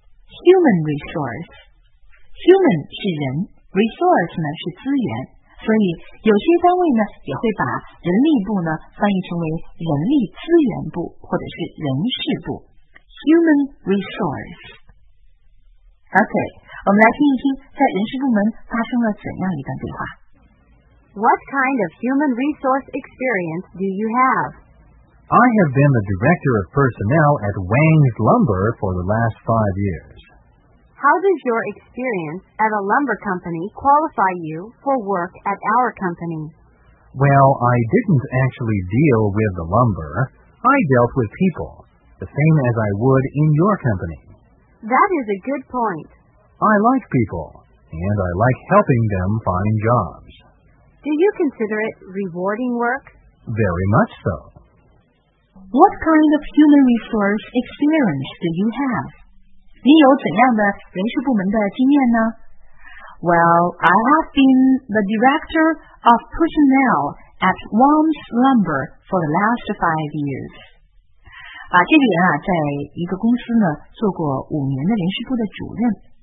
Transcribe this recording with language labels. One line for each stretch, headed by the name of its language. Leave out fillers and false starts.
Chinese: human resource， human 是人， resource 呢是资源，所以有些单位呢也会把人力部呢翻译成为人力资源部或者是人事部， human resource。 OK， 我们来听一听在人事部门发生了怎样一段对话。
English: What kind of human resource experience do you have? I have been the director of personnel at Wang's Lumber for the last 5 years. How does your experience at a lumber company qualify you for work at our company? Well, I didn't actually deal with the lumber. I dealt with people, the same as I would in your company. That is a good point. I like people, and I like helping them find jobs. Do you consider it rewarding work? Very much so. What kind of human resource experience do you have?
Chinese: 你有怎样的人事部门的经验呢？
English: Well, I have been the director of personnel at Wang's Lumber for the last 5 years.
Chinese: 啊，这个人啊，在一个公司呢，做过5年的人事部的主任。